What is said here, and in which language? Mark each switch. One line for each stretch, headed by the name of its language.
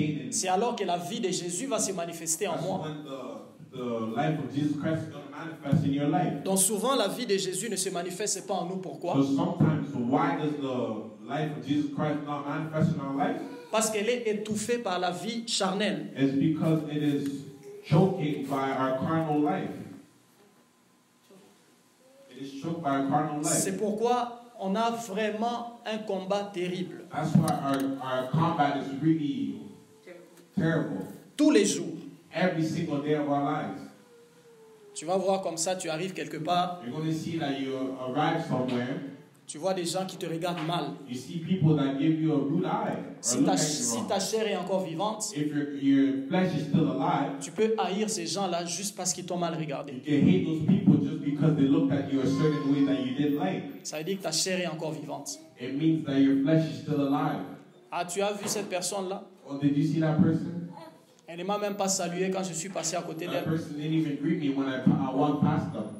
French: c'est alors que la vie de Jésus va se manifester en moi.
English: When the, the life of Jesus Christ is going to manifest in your life.
French: Donc souvent la vie de Jésus ne se manifeste pas en nous. Pourquoi?
English: So sometimes why does the life of Jesus Christ not manifest in our life?
French: Parce qu'elle est étouffée par la vie charnelle.
English: It's because it is choking by our carnal life. It is choked by our carnal life.
French: C'est pourquoi on a vraiment un combat terrible.
English: That's why our combat is really terrible.
French: Tous les jours.
English: Every single day of our lives.
French: Tu vas voir comme ça, tu arrives quelque part.
English: You're going to see that you arrive somewhere.
French: Tu vois des gens qui te regardent mal.
English: You see people that give you a rude eye.
French: Si ta chair est encore vivante,
English: if your flesh is still alive,
French: tu peux haïr ces gens-là juste parce qu'ils t'ont mal regardé.
English: You can hate those people just because they looked at you a certain way that you didn't like.
French: Ça veut dire que ta chair est encore vivante.
English: It means that your flesh is still alive.
French: Ah, tu as vu cette personne-là?
English: Or did you see that person?
French: Elle ne m'a même pas salué quand je suis passé à côté d'elle.
English: That person didn't even greet me when I walked past them.